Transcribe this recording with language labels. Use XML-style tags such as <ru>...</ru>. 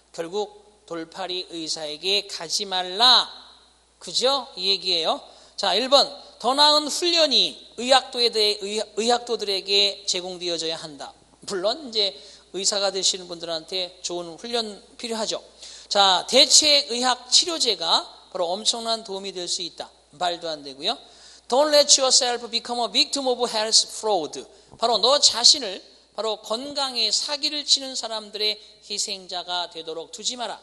<ko>결국 돌팔이 의사에게 가지 말라. 그죠? 이 얘기예요. 자, 1번. 더 나은 훈련이 의학도들에게 제공되어져야 한다. 물론 이제 의사가 되시는 분들한테 좋은 훈련 필요하죠. 자, 대체 의학 치료제가 바로 엄청난 도움이 될 수 있다. 말도 안 되고요.</ko> <en>Don't let yourself become a victim of health fraud.</en> <ko>바로 너 자신을 바로 건강에 사기를 치는 사람들의 희생자가 되도록 두지 마라.</ko>